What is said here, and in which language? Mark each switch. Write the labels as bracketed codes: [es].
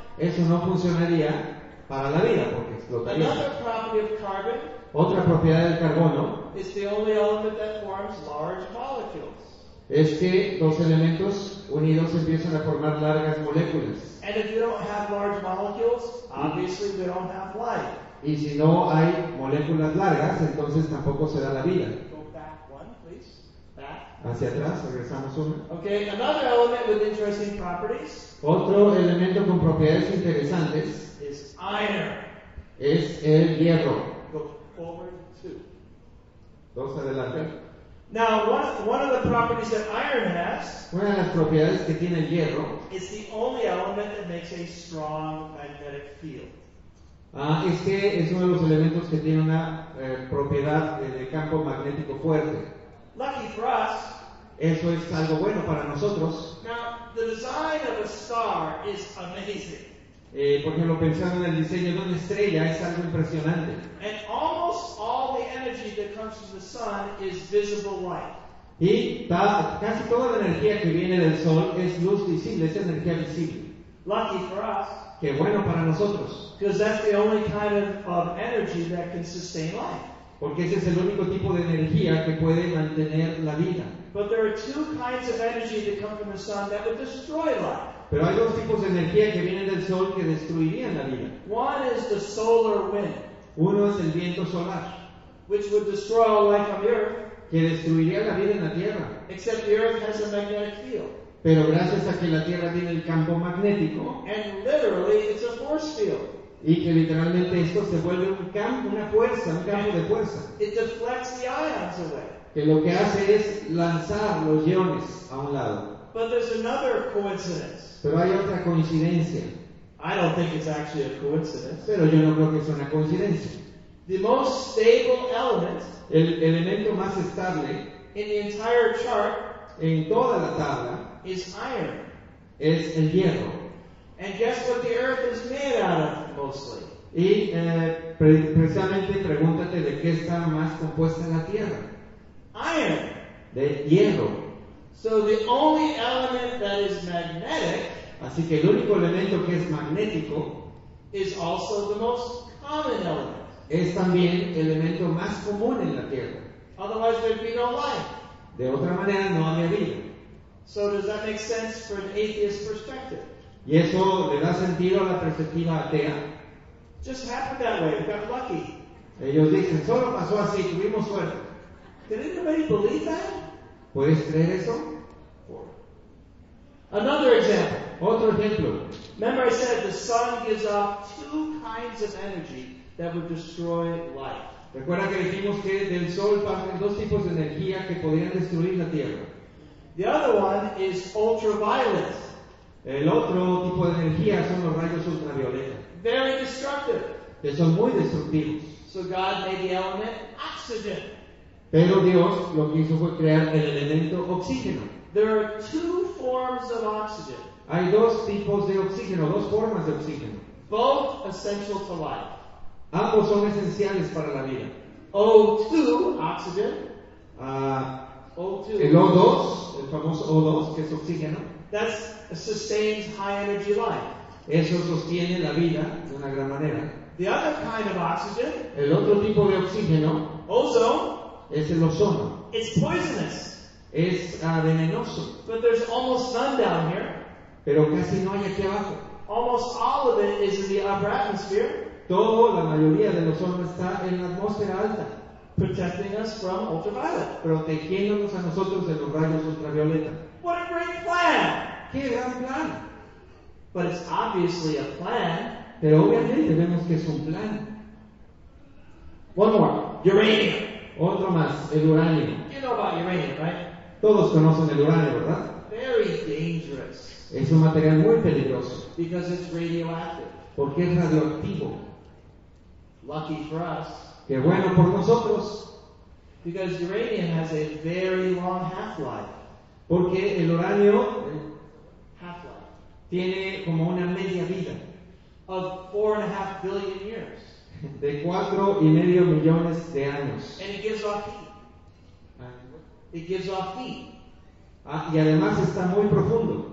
[es] Eso no funcionaría para la vida porque explotaría. [en] Another property of carbon. [es] Otra propiedad del carbono [en] is the only element that forms large molecules. [es] Es que dos elementos unidos empiezan a formar largas moléculas. [en] And if you don't have large molecules, obviously you don't have life. [es] Y si no hay moléculas largas, entonces tampoco se da la vida. [en] Go back one, please. Back. [es] Hacia atrás, regresamos uno. [en] Okay, another element with interesting properties. [es] Otro elemento con propiedades interesantes [en] is iron. [es] Es el hierro. [en] Forward two. [es] Dos adelante. [en] Now, one of the properties that iron has, [es] una de las propiedades que tiene el hierro, [en] is the only element that makes a strong magnetic field. [es] Es que es uno de los elementos que tiene una propiedad de campo magnético fuerte. [en] Lucky for us, [es] eso es algo bueno para nosotros. [en] Now, the design of a star is amazing. [es] Por ejemplo, pensando en el diseño de una estrella, es algo impresionante. [en] And almost all the energy that comes from the sun is visible light. [es] Y casi toda la energía que viene del sol es luz visible, es energía visible. [en] Lucky for us. [es] Qué bueno para nosotros. [en] Because that's the only kind of energy that can sustain life. [es] Porque ese es el único tipo de energía que puede mantener la vida. [en] But there are two kinds of energy that come from the sun that would destroy life. [es] Pero hay dos tipos de energía que vienen del sol que destruirían la vida. [en] One is the solar wind. [es] Uno es el viento solar. [en] Which would destroy all life on the earth. [es] Que destruiría la vida en la tierra. [en] Except the earth has a magnetic field. [es] Pero gracias a que la Tierra tiene el campo magnético. [en] And literally it's a force field. [es] Y que literalmente esto se vuelve un campo, una fuerza, un campo de fuerza. [en] It deflects the ions away. [es] Que lo que hace es lanzar los iones a un lado. [en] But there's another coincidence. [es] Pero hay otra coincidencia. [en] I don't think it's actually a coincidence. [es] Pero yo no creo que sea una coincidencia. [en] The most stable element, [es] el elemento más estable [en] in the entire chart, [es] en toda la tabla, [en] is iron. [es] Es el hierro. [en] And guess what the earth is made out of mostly? [es] Y precisamente pregúntate de qué está más compuesta la tierra. [en] Iron. [es] De hierro. [en] So the only element that is magnetic, [es] así que el único elemento que es magnético, [en] is also the most common element. [es] Es también el elemento más común en la tierra. [en] Otherwise there'd be no life. [es] De otra manera no habría vida. [en] So does that make sense for an atheist perspective? [es] Y eso le da sentido a la perspectiva atea. [en] Just happened that way. We got lucky. [es] Ellos dicen, solo pasó así, tuvimos suerte. [en] Did anybody believe that? [es] ¿Puedes creer eso? [en] Another example. [es] Otro ejemplo. [en] Remember I said the sun gives off two kinds of energy that would destroy life. [es] Recuerda que dijimos que del sol parten dos tipos de energía que podrían destruir la tierra. [en] The other one is ultraviolet. [es] El otro tipo de energía son los rayos ultravioleta. [en] Very destructive. [es] Que son muy destructivos. [en] So God made the element oxygen. [es] Pero Dios lo que hizo fue crear el elemento oxígeno. [en] There are two forms of oxygen. [es] Hay dos tipos de oxígeno, dos formas de oxígeno. [en] Both essential to life. [es] Ambos son esenciales para la vida. [en] O2, oxygen. [es] El O2, el famoso O2, que es oxígeno. [en] That sustains high energy life. [es] Eso sostiene la vida de una gran manera. [en] The other kind of oxygen, [es] el otro tipo de oxígeno, [en] ozone, [es] es el ozono. [en] It's poisonous. [es] Es venenoso. [en] But there's almost none down here. [es] Pero casi no hay aquí abajo. [en] Almost all of it is in the upper atmosphere. [es] Todo, la mayoría del ozono está en la atmósfera alta. [en] Protecting us from ultraviolet. [es] Protegiéndonos a nosotros de los rayos ultravioleta. [en] What a great plan! [es] ¡Qué gran plan! [en] But it's obviously a plan. [es] Pero obviamente vemos que es un plan. [en] One more. Uranium. [es] Otro más, el uranio. [en] You know about uranium, right? [es] Todos conocen el uranio, ¿verdad? [en] Very dangerous. [es] Es un material muy peligroso. [en] Because it's radioactive. [es] Porque es radioactivo. [en] Lucky for us. [es] Qué bueno por nosotros. [en] Because uranium has a very long half-life. [es] Porque el uranio [en] half-life [es] tiene como una media vida [en] of 4.5 billion years. [es] De 4.5 billones de años. [en] And it gives off heat. It gives off heat. [es] Y además está muy profundo.